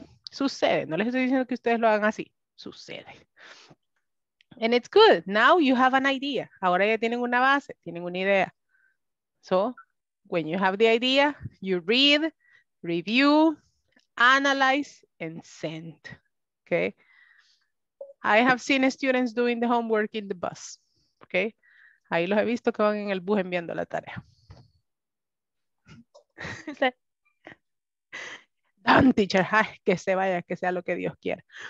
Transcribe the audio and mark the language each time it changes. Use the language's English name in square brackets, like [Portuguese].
[Spanish] Sucede, no les estoy diciendo que ustedes lo hagan así, sucede. [English] And it's good. Now you have an idea. [Spanish] Ahora ya tienen una base, tienen una idea. [English] So when you have the idea, you read, review, analyze, and send. Okay. I have seen students doing the homework in the bus. Okay. [Spanish] Ahí los he visto que van en el bus enviando la tarea. [English] Don't teacher. [Spanish] Ay, que se vaya, que sea lo que Dios quiera.